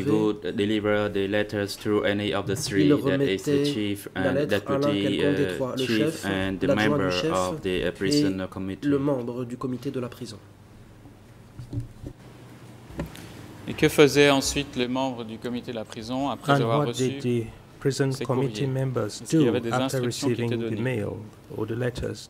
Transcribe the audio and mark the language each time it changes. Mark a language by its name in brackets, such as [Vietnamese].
[English] he would deliver the letters to any of the three, that is the chief and deputy chief and the member of the prison committee. [French] Le membre du comité de la prison. Et que faisaient ensuite les membres du comité de la prison après [English] and [French] avoir reçu [English] the prison committee members do after receiving the mail or the letters?